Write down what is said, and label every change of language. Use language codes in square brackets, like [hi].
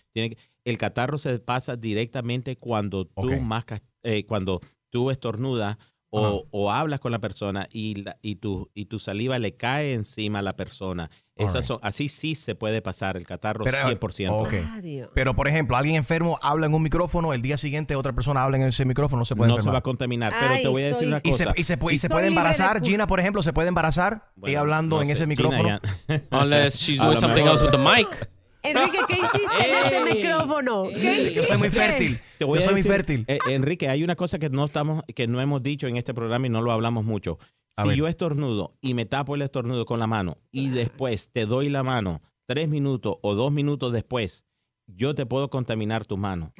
[es] El catarro se pasa directamente cuando tú cuando tú estornudas o hablas con la persona y tu saliva le cae encima a la persona. Así sí se puede pasar el catarro. Pero, 100%. [en] Okay. [es] Pero, por ejemplo, alguien enfermo habla en un micrófono, el día siguiente otra persona habla en ese micrófono, se puede enfermar. No se va a contaminar, pero te voy a decir una cosa. ¿Y se puede embarazar? Gina, por ejemplo, ¿se puede embarazar y hablando en ese micrófono? Gina, [en] unless she's doing something else with the mic. [es] Enrique, ¿qué hiciste en este micrófono? Yo soy muy fértil. Enrique, hay una cosa que no hemos dicho en este programa y no lo hablamos mucho. Si yo estornudo y me tapo el estornudo con la mano y después te doy la mano 3 minutos o 2 minutos después, yo te puedo contaminar tu mano.